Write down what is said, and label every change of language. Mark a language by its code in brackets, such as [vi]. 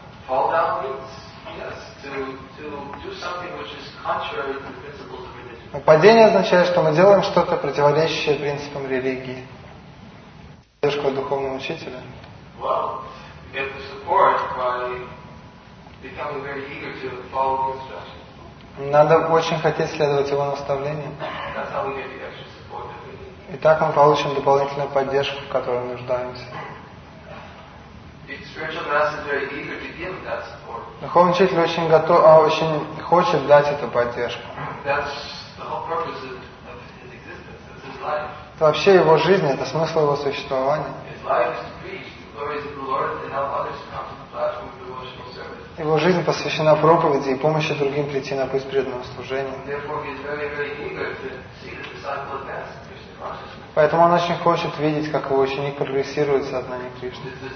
[en] Fall down means, yes, to do something which is contrary to the principles of religion. [ru] Падение означает, что мы делаем что-то, противоречащее принципам религии. Поддержка духовного учителя. [en] Wow. Get the support by becoming very eager to follow the instructions. [ru] Надо очень хотеть следовать его наставлениям. [en] That's how we get the extra support that we need. [ru] И так мы получим дополнительную поддержку, в которой нуждаемся. [en] The spiritual master is very eager to give that support. [ru] Духовный учитель очень готов, очень хочет дать эту поддержку. [en] That's the whole purpose of his existence. That's his life. [ru] Это вообще его жизнь, это смысл его существования. [en] His life is to preach the glories of the Lord and help others come to the platform of devotional service. [ru] Его жизнь посвящена проповеди и помощи другим прийти на путь преданного служения. [en] Therefore, he is very, very eager to see the disciple advance in Krishna consciousness. [ru] Поэтому он очень хочет видеть, как его ученик прогрессирует в сознании Кришны.